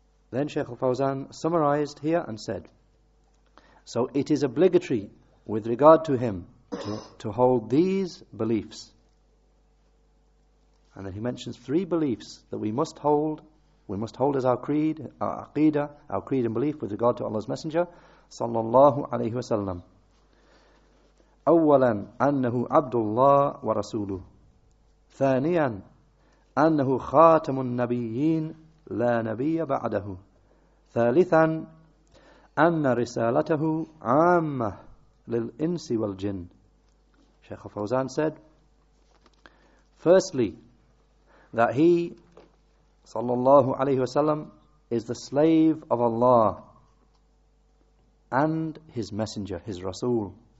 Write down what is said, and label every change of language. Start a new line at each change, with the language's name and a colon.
English: Then Shaykh al Fawzan summarized here and said, so it is obligatory with regard to him to hold these beliefs. And then he mentions three beliefs that we must hold as our creed, our aqeedah, our creed and belief with regard to Allah's Messenger, sallallahu alayhi wa sallam.
Arabic: أولاً أنه عبد الله ورسوله ثانياً أنه خاتم النبيين لا نبي بعده ثالثاً أن رسالته عامة للإنس والجن.
English: Shaykh Fawzan said, firstly, that he, sallallahu alayhi wasallam, is the slave of Allah and his messenger, his Rasul.